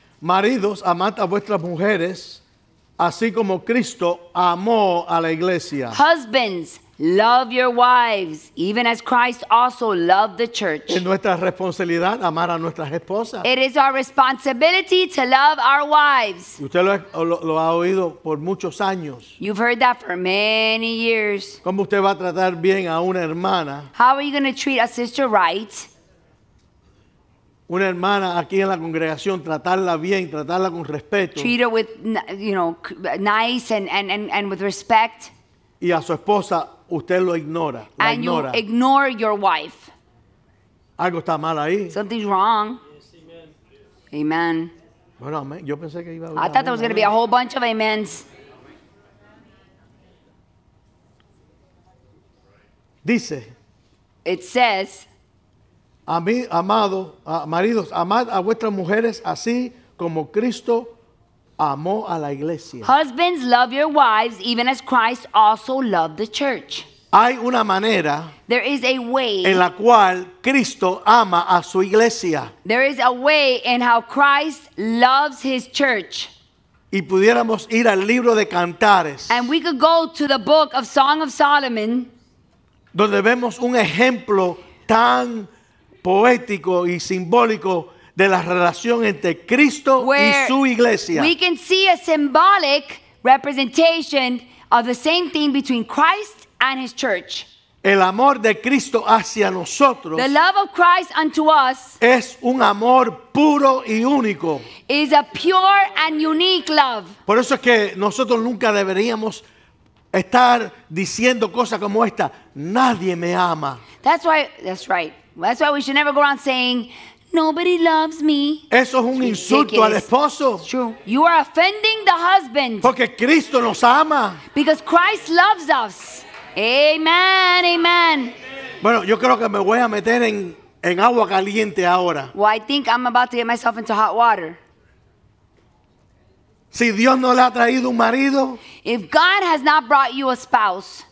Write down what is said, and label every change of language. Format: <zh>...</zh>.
<es>Maridos, amad a vuestras mujeres, así como Cristo amó a la iglesia.</es> <en>Husbands, love your wives, even as Christ also loved the church.</en> <es>Es nuestra responsabilidad amar a nuestras esposas.</es> <en>It is our responsibility to love our wives.</en> <es>Usted lo ha oído por muchos años.</es> <en>You've heard that for many years.</en> <es>¿Cómo usted va a tratar bien a una hermana?</es> <en>How are you going to treat a sister right?</en> <es>Una hermana aquí en la congregación, tratarla bien, tratarla con respeto.</es> <en>Treat her with, you know, nice and with respect.</en> <es>Y a su esposa, usted lo ignora.</es> <en>And you ignore your wife.</en> <es>Algo está mal ahí.</es> <en>Something's wrong. Yes, amen.</en> <es>Bueno, amen. Yo pensé que iba a</es> <en>hablar. I thought there was going to be a whole bunch of amens.</en> <es>Dice.</es> <en>It says.</en> <es>A mí, amado, maridos, amad a vuestras mujeres así como Cristo amó a la iglesia.</es> <en>Husbands, love your wives even as Christ also loved the church.</en> <es>Hay una manera.</es> <en>There is a way.</en> <es>En la cual Cristo ama a su iglesia.</es> <en>There is a way in how Christ loves his church.</en> <es>Y pudiéramos ir al libro de Cantares.</es> <en>And we could go to the book of Song of Solomon.</en> <es>Donde vemos un ejemplo tan poético y simbólico de la relación entre Cristo</es> <en>where</en> <es>y su iglesia.</es> <en>We can see a symbolic representation of the same thing between Christ and his church.</en> <es>El amor de Cristo hacia nosotros,</es> <en>the love of Christ unto us,</en> <es>es un amor puro y único.</es> <en>Is a pure and unique love.</en> <es>Por eso es que nosotros nunca deberíamos estar diciendo cosas como esta: nadie me ama.</es> <en>That's why, that's right. That's why we should never go around saying, nobody loves me.</en> <es>Eso es un insulto al esposo.</es> <en>It's true. You are offending the husband.</en> <es>Porque Cristo nos ama.</es> <en>Because Christ loves us. Amen, amen.</en> <es>Bueno, yo creo que me voy a meter en agua caliente ahora.</es> <en>Well, I think I'm about to get myself into hot water.</en> <es>Si Dios no le ha traído un marido,</es> <en>if God has not brought you a spouse,</en>